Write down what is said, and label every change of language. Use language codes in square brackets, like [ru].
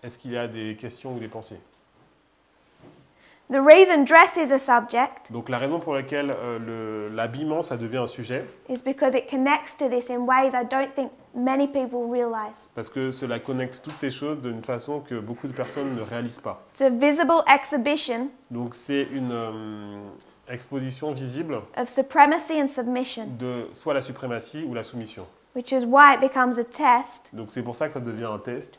[fr] Est-ce qu'il y a des questions ou des pensées? [en] The reason dress is a subject. [fr] Donc la raison pour laquelle l'habillement ça devient un sujet. [en] Is because it connects to this in ways I don't think many people realize. [fr] Parce que cela connecte toutes ces choses d'une façon que beaucoup de personnes ne réalisent pas. [en] It's a visible exhibition. [fr] Donc c'est une exposition visible [en] of supremacy and submission, [fr] de soit la suprématie ou la soumission. [en] Which is why it becomes a test. [fr] Donc c'est pour ça que ça devient un test.